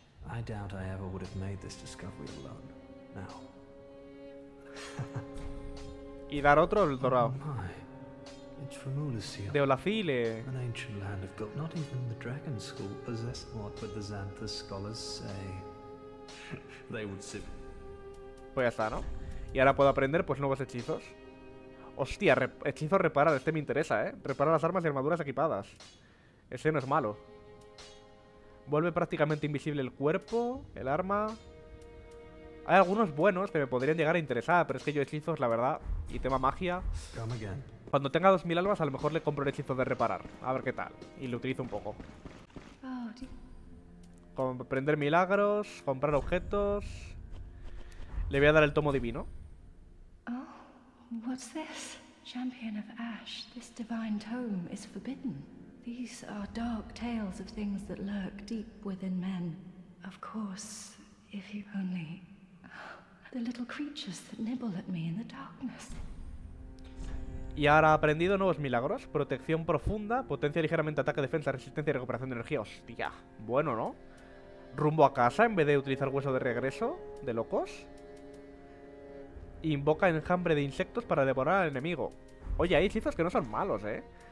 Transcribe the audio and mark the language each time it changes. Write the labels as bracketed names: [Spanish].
[English] I doubt I ever would have made this discovery alone. Now. [Spanish] Y dar otro el dorado. [English] Oh my. It's from Ulusio. [Spanish] De Olafile. [English] An ancient land of gold. Not even the Dragon School possessed what would the Xanthus scholars say. They would say. [Spanish] Pues ya está, ¿no? Y ahora puedo aprender, pues, nuevos hechizos. Hostia, hechizo reparar. Este me interesa, ¿eh? Reparar las armas y armaduras equipadas. Ese no es malo. Vuelve prácticamente invisible el cuerpo, el arma. Hay algunos buenos que me podrían llegar a interesar, pero es que yo hechizos, la verdad, y tema magia. Cuando tenga 2000 almas, a lo mejor le compro el hechizo de reparar. A ver qué tal. Y lo utilizo un poco. Comprender milagros, comprar objetos... Le voy a dar el tomo divino. [English] Oh, what's this? Champion of Ash, this divine tome is forbidden. These are dark tales of things that lurk deep within men. Of course, if you only... The little creatures that nibble at me in the darkness. [Spanish] Y ahora ha aprendido nuevos milagros. Protección profunda, potencia ligeramente ataque, defensa, resistencia y recuperación de energía. Hostia, bueno, ¿no? Rumbo a casa en vez de utilizar hueso de regreso, de locos. Invoca enjambre de insectos para devorar al enemigo. Oye, hay hechizos que no son malos, ¿eh?